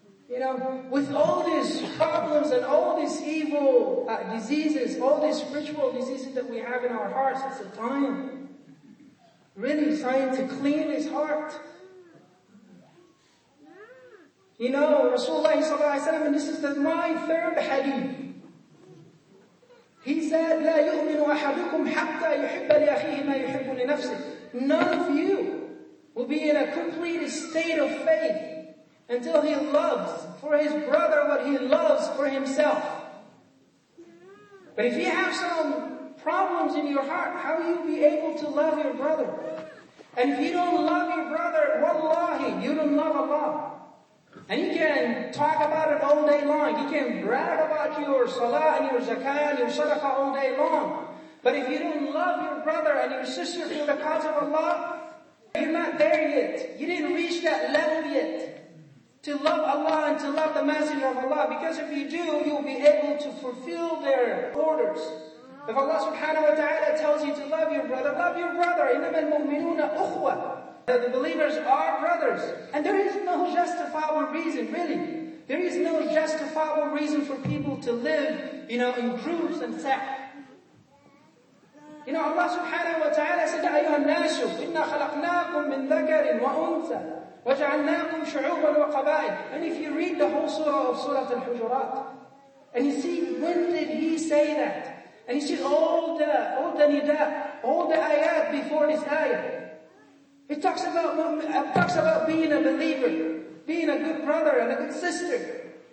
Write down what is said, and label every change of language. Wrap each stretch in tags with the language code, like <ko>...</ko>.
<en>You know, with all these problems and all these evil diseases, all these spiritual diseases that we have in our hearts, it's a time really trying to clean his heart. You know, Rasulullah sallallahu alayhi wa sallam, and this is my third hadith.</en> <ar>He said, لا يؤمن أحدكم حتى يحب لأخيه ما يحب لنفسه.</ar> <en>None of you will be in a complete state of faith until he loves for his brother what he loves for himself. But if you have some problems in your heart, how will you be able to love your brother? And if you don't love your brother, wallahi, you don't love Allah. And you can talk about it all day long. You can brag about your salah and your zakah and your sadaqah all day long. But if you don't love your brother and your sister for the cause of Allah, you're not there yet. You didn't reach that level yet to love Allah and to love the Messenger of Allah. Because if you do, you'll be able to fulfill their orders. If Allah subhanahu wa ta'ala tells you to love your brother, love your brother.</en> <ar>إِنَّمَا الْمُؤْمِنُونَ أُخْوَةً.</ar> <en>That the believers are brothers. And there is no justifiable reason, really. There is no justifiable reason for people to live, you know, in groups and sect. You know, Allah subhanahu wa ta'ala said,</en> <ar>أَيُّهَا النَّاسُ إِنَّا خَلَقْنَاكُمْ مِنْ ذَكَرٍ وَأُنْثَى وَجَعَلْنَاكُمْ شُعُوبًا وَقَبَائِلَ.</ar> <en>And if you read the whole surah of Surah Al-Hujurat, and you see, when did he say that? And you see all the nida, all the ayat before this ayah. It talks about being a believer, being a good brother and a good sister.</en>